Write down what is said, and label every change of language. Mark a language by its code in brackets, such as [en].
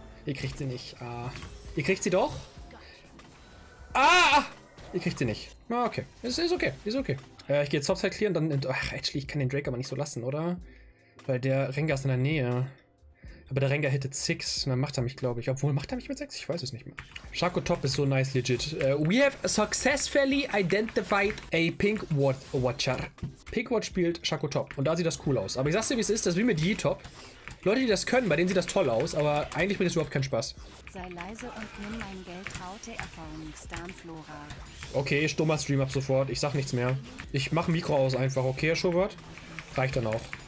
[de] Ihr kriegt sie nicht. Ah. Ihr kriegt sie doch? Ah! Ihr kriegt sie nicht. Ah, okay. Ist okay. Ich gehe jetzt Topside clearen, dann... Ach, actually, ich kann den Drake aber nicht so lassen, oder? Weil der Rengar ist in der Nähe. Aber der Rengar hittet 6 und dann macht er mich, glaube ich. Obwohl, macht er mich mit 6? Ich weiß es nicht mehr. Shaco Top ist so nice, legit. [en] We have successfully identified a Pink Ward Watcher. [de] Pink Ward spielt Shaco Top und da sieht das cool aus. Aber ich sag's dir, wie es ist, das ist wie mit Yi-Top. Leute, die das können, bei denen sieht das toll aus, aber eigentlich bringt es überhaupt keinen Spaß. Sei leise und nimm mein Geld, traute Erfahrung, Starnflora. Okay, stummer Stream ab sofort, ich sag nichts mehr. Ich mach Mikro aus einfach, okay, Herr Schubert? Reicht dann auch.